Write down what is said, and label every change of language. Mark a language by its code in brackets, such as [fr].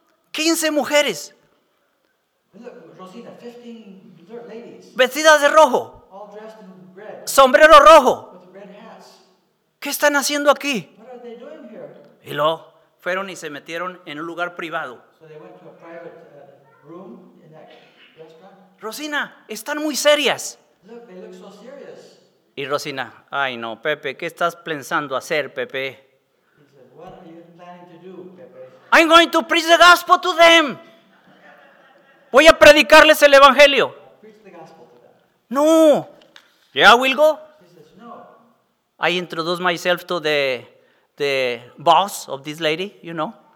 [es] 15 mujeres. [en] Rosina, 15 ladies. [es] Vestidas de rojo. [en] All dressed in red. [es] Sombrero rojo. [en] With red hats. [es] ¿Qué están haciendo aquí? [en] What are they doing here? [es] Y luego fueron y se metieron en un lugar privado. [en] So they went to a private room in that restaurant. [es] Rosina, están muy serias. [en] Look, they look so serious. [es] Y Rosina, ay no, Pepe, ¿qué estás pensando hacer, Pepe? [en] He said, what are you planning to do, Pepe? I'm going to preach the gospel to them. [es] Voy a predicarles el evangelio. No. [en] Yeah, I will go. He says, no. I introduce myself to the boss of this lady, you know.